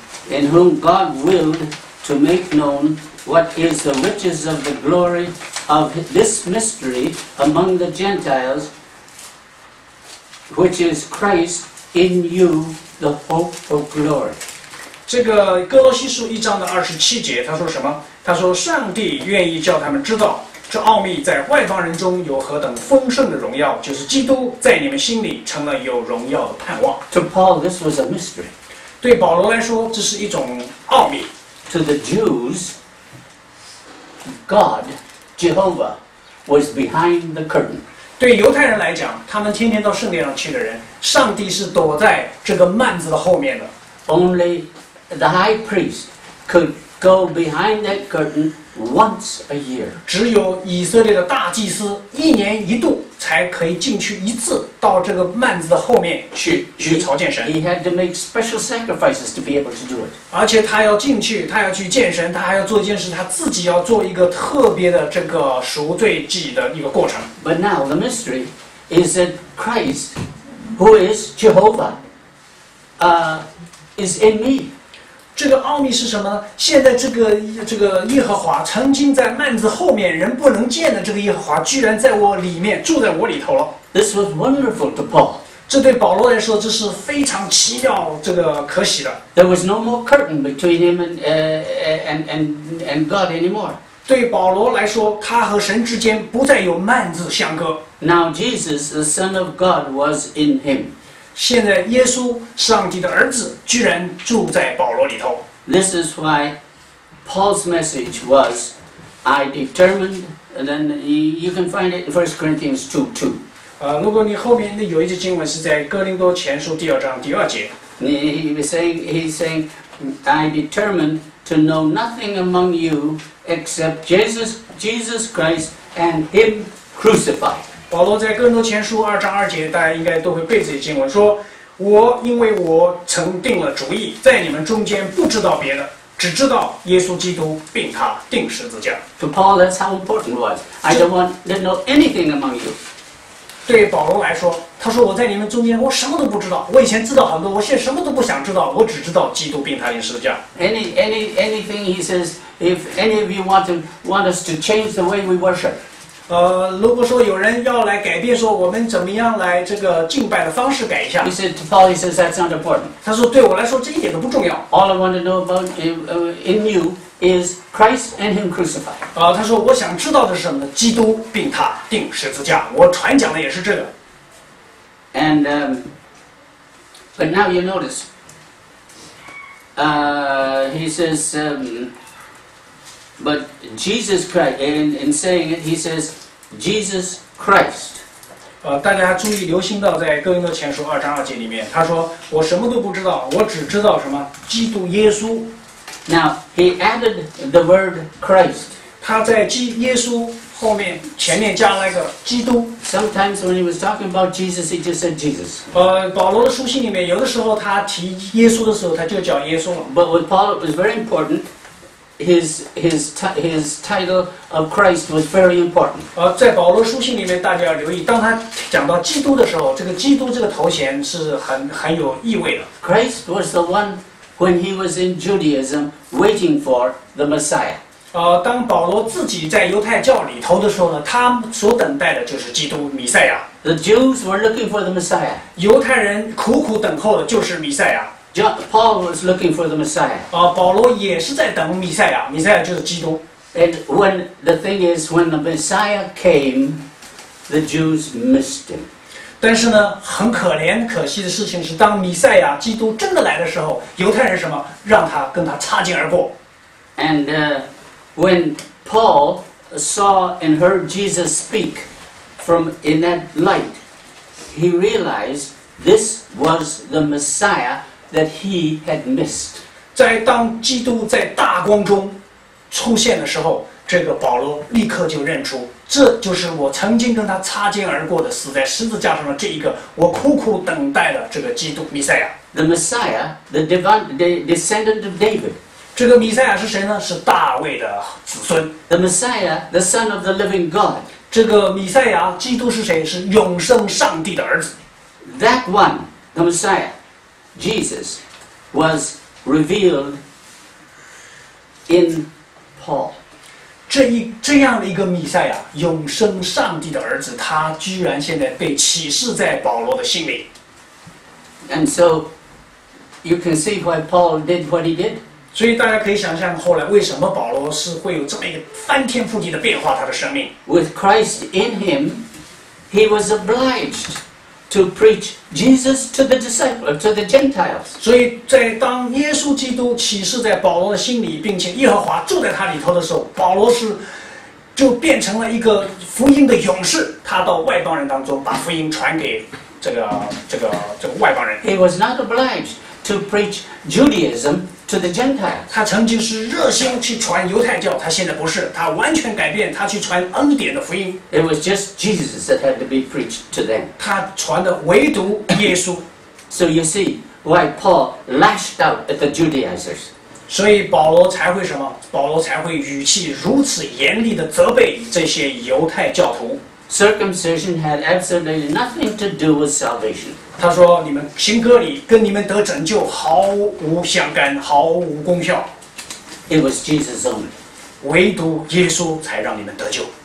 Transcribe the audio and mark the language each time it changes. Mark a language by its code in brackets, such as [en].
[en] In whom God willed to make known what is the riches of the glory of this mystery among the Gentiles, which is Christ in you, the hope of glory. [zh] 这个哥罗西书一章的二十七节，他说什么？他说上帝愿意叫他们知道这奥秘在外邦人中有何等丰盛的荣耀，就是基督在你们心里成了有荣耀的盼望。 [en] To Paul, this was a mystery. [zh] 对保罗来说，这是一种奥秘。 [en] To the Jews, God, Jehovah, was behind the curtain. [zh] 对犹太人来讲，他们天天到圣殿上去的人，上帝是躲在这个幔子的后面的。 [en] Only the high priest could go behind that curtain once a year. [zh] 只有以色列的大祭司一年一度才可以进去一次，到这个幔子的后面去朝见神。 [en] He had to make special sacrifices to be able to do it. [zh] 而且他要进去，他要去见神，他还要做一件事，他自己要做一个特别的这个赎罪祭的一个过程。 [en] But now the mystery is that Christ, who is Jehovah, is in me. [zh] 这个奥秘是什么？现在这个耶和华曾经在幔子后面人不能见的这个耶和华，居然在我里面住在我里头了。 [en] This was wonderful to Paul. [zh] 这对保罗来说，这是非常奇妙，这个可喜的。 [en] There was no more curtain between him and God anymore. [zh] 对保罗来说，他和神之间不再有幔子相隔。 [en] Now Jesus, the Son of God, was in him. [zh] 现在耶稣上帝的儿子居然住在保罗里头。 [en] This is why Paul's message was I determined, and then you can find it in 1 Corinthians 2:2. [zh] 如果你后面有一节经文是在哥林多前书第二章第二节。 [en] He's saying, I determined to know nothing among you except Jesus Christ and Him crucified. [zh] 保罗在哥林多前书二章二节，大家应该都会背这些经文，说我因为我曾定了主意，在你们中间不知道别的，只知道耶稣基督并他钉十字架。 [en] To Paul, that's how important it was. I don't want to know anything among you. [zh] 对保罗来说，他说我在你们中间，我什么都不知道。我以前知道很多，我现在什么都不想知道，我只知道基督并他钉十字架。 [en] Anything he says, if any of you want us to change the way we worship. [zh] 如果说有人要来改变，说我们怎么样来这个敬拜的方式改一下。 [en] He said, Paul, he says that's not important. [zh] 他说对我来说这一点都不重要。 [en] All I want to know about in you is Christ and Him crucified. [zh] 他说我想知道的是什么呢？基督并他钉十字架。我传讲的也是这个。 [en] And but now you notice, he says. But Jesus Christ, in saying it, he says, Jesus Christ. [zh] 大家注意留心到在哥林多前书二章二节里面，他说我什么都不知道，我只知道什么基督耶稣。 [en] Now he added the word Christ. [zh] 他在耶稣后面前面加了一个基督。 [en] Sometimes when he was talking about Jesus, he just said Jesus. [zh] 保罗的书信里面，有的时候他提耶稣的时候，他就叫耶稣了。 [en] But with Paul, it was very important. His title of Christ was very important. [zh] 在保罗书信里面，大家要留意，当他讲到基督的时候，这个基督这个头衔是很有意味的。 [en] Christ was the one when he was in Judaism waiting for the Messiah. [zh] 当保罗自己在犹太教里头的时候呢，他所等待的就是基督弥赛亚。 [en] The Jews were looking for the Messiah. [zh] 犹太人苦苦等候的就是弥赛亚。 [en] Paul was looking for the Messiah. [zh] 保罗也是在等弥赛亚，弥赛亚就是基督。 [en] And when the thing is, when the Messiah came, the Jews missed him. [zh] 但是呢，很可怜、可惜的事情是，当弥赛亚基督真的来的时候，犹太人什么让他跟他擦肩而过。 [en] And when Paul saw and heard Jesus speak, from in that light, he realized this was the Messiah that he had missed. [zh] 在当基督在大光中出现的时候，这个保罗立刻就认出，这就是我曾经跟他擦肩而过的，死在十字架上的这一个我苦苦等待的这个基督弥赛亚。 [en] The Messiah, the divine, the descendant of David. [zh] 这个弥赛亚是谁呢？是大卫的子孙。 [en] The Messiah, the Son of the Living God. [zh] 这个弥赛亚，基督是谁？是永生上帝的儿子。 [en] That one, the Messiah, Jesus, was revealed in Paul. [zh] 这样的一个弥赛亚，永生上帝的儿子，他居然现在被启示在保罗的心里。 [en] And so, you can see why Paul did what he did. [zh] 所以大家可以想象，后来为什么保罗是会有这么一个翻天覆地的变化，他的生命。 [en] With Christ in him, he was obliged to preach Jesus to the disciples, to the Gentiles. [zh] 所以在当耶稣基督启示在保罗的心里，并且耶和华住在他里头的时候，保罗是就变成了一个福音的勇士，他到外邦人当中把福音传给。这个外邦人。 [en] He was not obliged to preach Judaism to the Gentiles. [zh] 他曾经是热心去传犹太教，他现在不是，他完全改变，他去传恩典的福音。 [en] It was just Jesus that had to be preached to them. [zh] 他传的唯独耶稣。 [en] So you see why Paul lashed out at the Judaizers. [zh] 所以保罗才会什么？保罗才会语气如此严厉的责备这些犹太教徒。 [en] Circumcision had absolutely nothing to do with salvation. [zh] 他说：“你们行割礼跟你们得拯救毫无相干，毫无功效。 [en] It was Jesus only. [zh] 唯独耶稣才让你们得救。